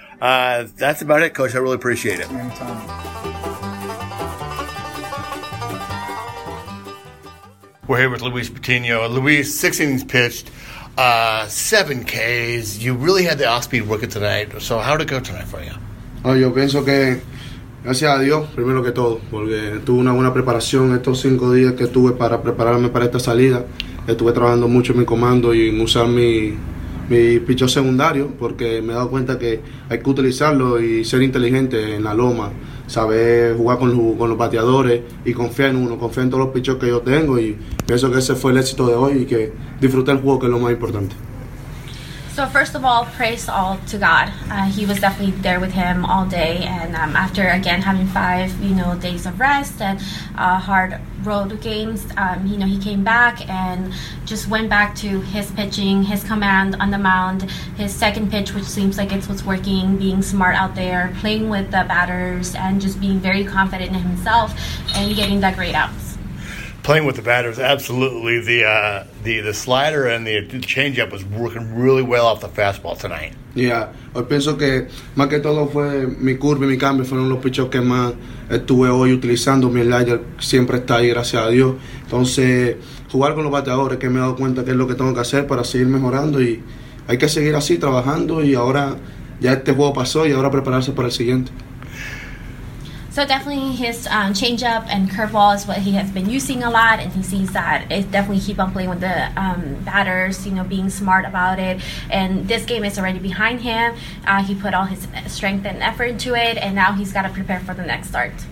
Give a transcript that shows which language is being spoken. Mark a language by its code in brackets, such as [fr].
[en] That's about it, Coach. I really appreciate it. Anytime. We're here with Luis Patiño. Luis, six innings pitched, 7Ks. You really had the off-speed working tonight. So how did it go tonight for you? [es] Oh, yo pienso que gracias a Dios primero que todo, porque tuve una buena preparación estos 5 días que tuve para prepararme para esta salida. Estuve trabajando mucho en mi comando y en usar mi picho secundario, porque me he dado cuenta que hay que utilizarlo y ser inteligente en la loma, saber jugar con los bateadores y confiar en uno, confiar en todos los pichos que yo tengo, y pienso que ese fue el éxito de hoy y que disfruté el juego, que es lo más importante. [en] So first of all, praise all to God. He was definitely there with him all day. And after, again, having 5, you know, days of rest and hard road games, you know, he came back and just went back to his pitching, his command on the mound, his second pitch, which seems like it's what's working, being smart out there, playing with the batters, and just being very confident in himself and getting that great out. Playing with the batters, absolutely. The slider and the changeup was working really well off the fastball tonight. [es] Yeah, hoy pienso que más que todo fue mi curva y mi cambio fueron los pichos que más estuve hoy utilizando. Mi slider siempre está ahí, gracias a Dios. Entonces, jugar con los bateadores, que me he dado cuenta que es lo que tengo que hacer para seguir mejorando, y hay que seguir así trabajando. Y ahora ya este juego pasó y ahora prepararse para el siguiente. [en] So definitely his changeup and curveball is what he has been using a lot, and he sees that it definitely keep on playing with the batters, you know, being smart about it. And this game is already behind him. He put all his strength and effort into it, and now he's got to prepare for the next start.